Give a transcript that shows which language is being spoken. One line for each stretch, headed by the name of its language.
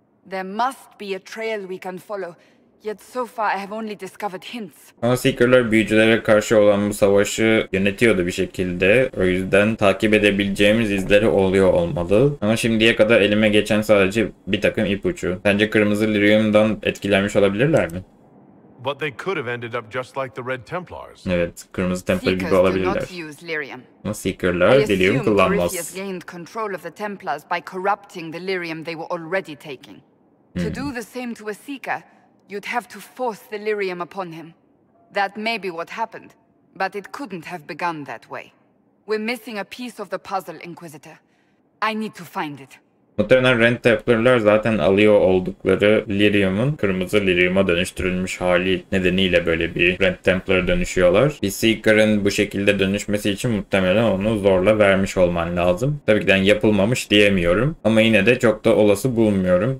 English: There must be a trail we can follow. Yet so far I have only discovered hints.
Turkish: Ama Seeker'lar büyücülere karşı olan bu savaşı yönetiyordu bir şekilde. O yüzden takip edebileceğimiz izleri oluyor olmalı. Ama şimdiye kadar elime geçen sadece bir takım ipucu. Sence Kırmızı Lirium'dan etkilenmiş olabilirler mi?
English: But they could have ended up just like the Red Templars.
Turkish: Evet, Kırmızı Templar gibi olabilirler. Ama Seeker'lar Lirium kullanmaz.
English: I assume Tarithias gained control of the Templars by corrupting the Lirium they were already taking. To do the same to a Seeker, you'd have to force the Lirium upon him. That may be what happened, but it couldn't have begun that way. We're missing a piece of the puzzle, Inquisitor. I need to find it.
Turkish: Muhtemelen Red Templar'lar zaten alıyor oldukları Lirium'un Kırmızı Lirium'a dönüştürülmüş hali nedeniyle böyle bir Red Templar'a dönüşüyorlar. Bir Seeker'ın bu şekilde dönüşmesi için muhtemelen onu zorla vermiş olman lazım. Tabii ki de yapılmamış diyemiyorum ama yine de çok da olası bulmuyorum.